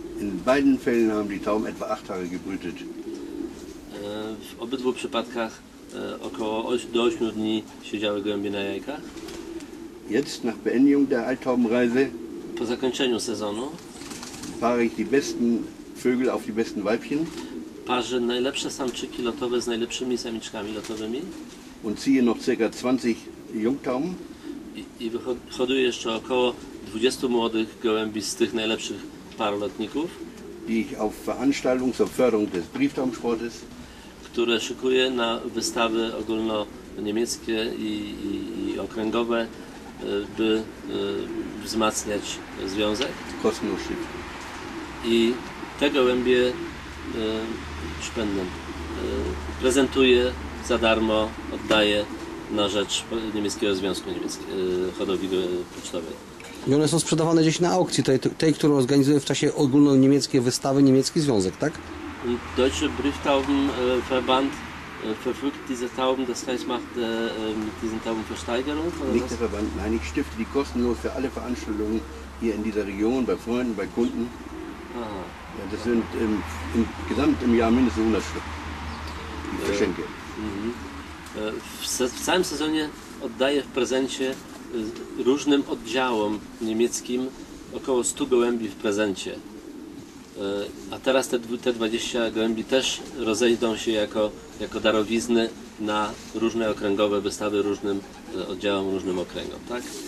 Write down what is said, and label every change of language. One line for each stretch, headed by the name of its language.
German: In beiden Fällen haben die Tauben etwa 8 Tage gebrütet.
Polish: W obydwu przypadkach około do 8 dni siedziały gołębie na jajkach.
German: Jetzt nach Beendigung der Altaubenreise,
Polish: po zakończeniu sezonu,
German: paare ich die besten Vögel auf die besten Weibchen.
Polish: Parze najlepsze samczyki lotowe z najlepszymi samiczkami lotowymi.
German: Und ziehe noch ca. 20 Jungtauben.
Polish: I wyhoduję jeszcze około 20 młodych gołębi z tych najlepszych paru lotników,
German: die ich auf Veranstaltung zur Förderung des Brieftaumsportes,
Polish: które szykuję na wystawy ogólnoniemieckie i okręgowe, by wzmacniać związek. Kosmoszy. I te gołębie szpendem prezentuję za darmo, oddaję na rzecz niemieckiego związku hodowli pocztowej. I one są sprzedawane gdzieś na aukcji, tej, którą organizuje w czasie ogólnoniemieckiej wystawy niemiecki związek, tak?
German: Deutsche Brieftaubenverband verfügt diese Tauben, das heißt macht mit diesen Tauben Versteigerung? Nicht der Verband, nein, ich stifte die kostenlos für alle Veranstaltungen hier in dieser Region, bei Freunden, bei Kunden. Aha. Ja, das sind im Jahr mindestens 100 Stück, die ich verschenke.
Polish: W całym sezonie oddaję w prezencie różnym oddziałom niemieckim około 100 gołębi w prezencie. A teraz te 20 gołębi też rozejdą się jako darowizny na różne okręgowe wystawy różnym oddziałom, różnym okręgom, tak?